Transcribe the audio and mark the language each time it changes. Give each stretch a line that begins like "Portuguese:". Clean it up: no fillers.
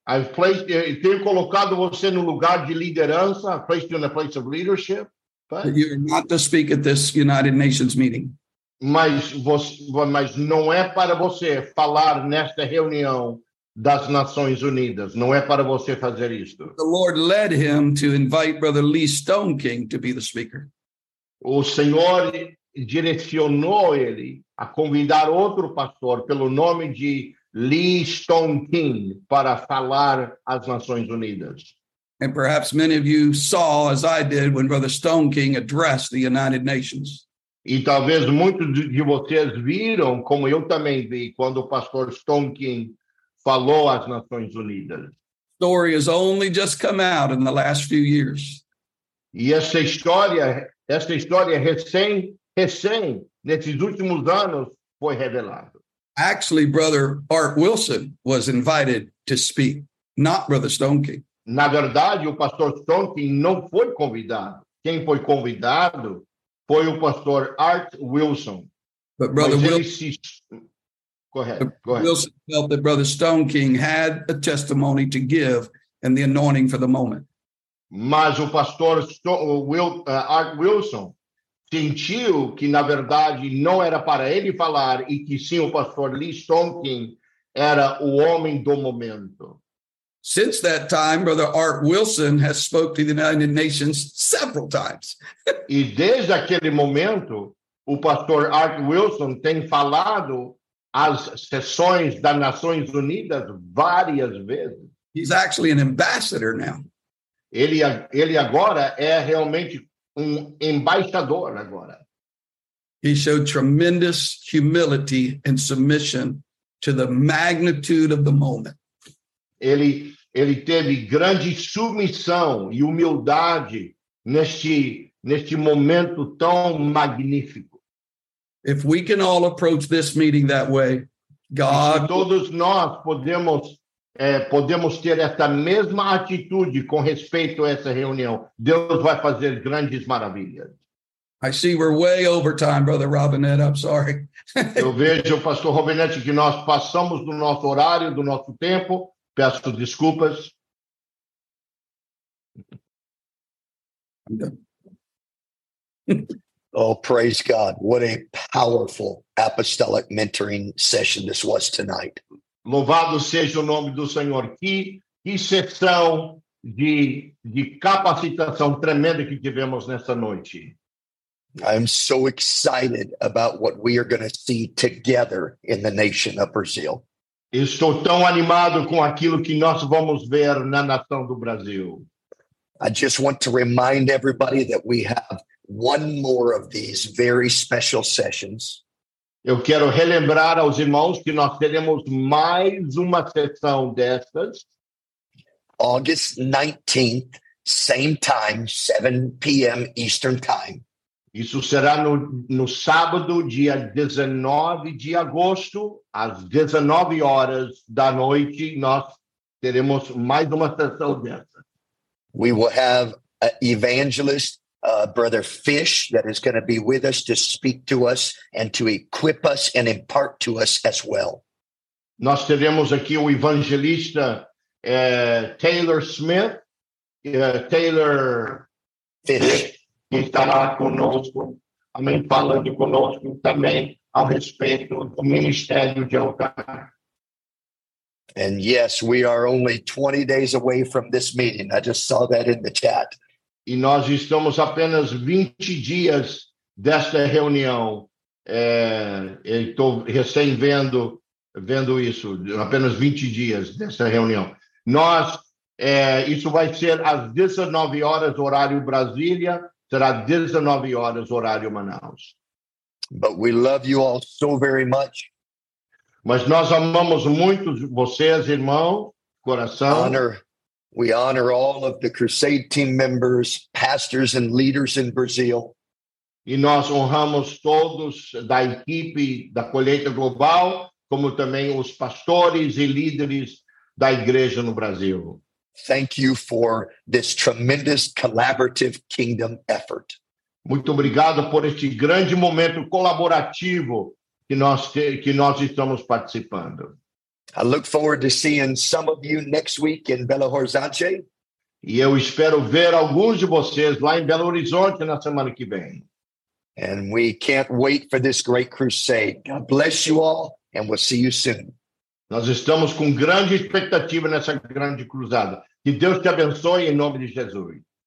Portuguese: Eu tenho colocado você num lugar de liderança,
English: I've placed you in a place of leadership. But you're not to speak at this United Nations meeting.
Portuguese: Mas não é para você falar nesta reunião das Nações Unidas. Não é para você fazer isto.
English: The Lord led him to invite Brother Lee Stone King to be the speaker.
Portuguese: O Senhor direcionou ele a convidar outro pastor pelo nome de Lee Stone King para falar às Nações Unidas.
English: And perhaps many of you saw, as I did, when Brother Stone King addressed the United Nations.
Portuguese: E talvez muitos de vocês viram, como eu também vi, quando o pastor Stone King falou às Nações Unidas.
English: Story has only just come out in the last few years.
Portuguese: E essa história recém, nesses últimos anos, foi revelada.
English: Actually, Brother Art Wilson was invited to speak, not Brother Stone King.
Portuguese: Na verdade, o pastor Stone King não foi convidado. Quem foi convidado foi o pastor Art Wilson.
English: But Brother Wilson, go ahead. Wilson felt that Brother Stone King had a testimony to give and the anointing for the moment.
Portuguese: Mas o pastor Art Wilson sentiu que, na verdade, não era para ele falar e que, sim, o pastor Lee Stone King era o homem do momento.
English: Since that time, Brother Art Wilson has spoke to the United Nations several times.
Portuguese: E desde aquele momento, o pastor Art Wilson tem falado às sessões das Nações Unidas várias vezes.
English: He's actually an ambassador now.
Portuguese: Ele agora é realmente embaixador agora.
English: He showed tremendous humility and submission to the magnitude of the moment.
Portuguese: Ele teve grande submissão e humildade neste momento tão magnífico.
English: If we can all approach this meeting that way, God...
Portuguese: Se todos nós podemos ter essa mesma atitude com respeito a essa reunião, Deus vai fazer grandes maravilhas.
English: I see we're way over time, Brother Robinette. I'm sorry.
Portuguese: Eu vejo, Pastor Robinette, que nós passamos do nosso horário, do nosso tempo. Peço desculpas.
English: Oh, praise God. What a powerful apostolic mentoring session this was tonight.
Portuguese: Louvado seja o nome do Senhor. Que sessão de capacitação tremenda que tivemos nessa noite.
English: I'm so excited about what we are going to see together in the nation of Brazil.
Portuguese: Estou tão animado com aquilo que nós vamos ver na nação do Brasil.
English: I just want to remind everybody that we have one more of these very special sessions.
Portuguese: Eu quero relembrar aos irmãos que nós teremos mais uma sessão dessas.
English: August 19th, same time, 7 p.m. Eastern Time.
Portuguese: Isso será no sábado, dia 19 de agosto, às 19 horas da noite, nós teremos mais uma sessão dessa.
English: We will have an evangelist Brother Fish that is going to be with us to speak to us and to equip us and impart to us as well.
Portuguese: Nós teremos aqui o evangelista Taylor Smith, Taylor Fish, que estará conosco, amém, falando conosco também a respeito do ministério de altar.
English: And yes, we are only 20 days away from this meeting. I just saw that in the chat.
Portuguese: E nós estamos apenas 20 dias desta reunião. Estou recém vendo isso, apenas 20 dias desta reunião. Nós, isso vai ser às 19 horas, horário Brasília, será 19 horas, horário Manaus.
English: But we love you all so very much.
Portuguese: Mas nós amamos muito vocês, irmão, coração.
English: We honor all of the Crusade team members, pastors, and leaders in Brazil.
Portuguese: E nós honramos todos da equipe da Colheita Global, como também os pastores e líderes da igreja no Brasil.
English: Thank you for this tremendous collaborative kingdom effort.
Portuguese: Muito obrigado por este grande momento colaborativo que nós estamos participando.
English: I look forward to seeing some of you next week in Belo Horizonte.
Portuguese: E eu espero ver alguns de vocês lá em Belo Horizonte na semana que vem.
English: And we can't wait for this great crusade. God bless you all, and we'll see you soon.
Portuguese: Nós estamos com grande expectativa nessa grande cruzada. Que Deus te abençoe em nome de Jesus.